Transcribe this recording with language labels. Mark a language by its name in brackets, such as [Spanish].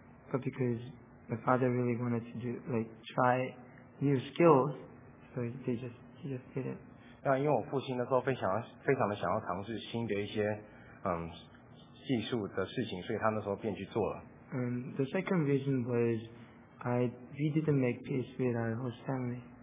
[English] But because my father really wanted to do like try new skills, so he just did it. [Chinese] 那因为我父亲那时候非常的想要尝试新的一些技术的事情，所以他那时候便去做了。 [English] The second reason was we didn't make peace with our whole family.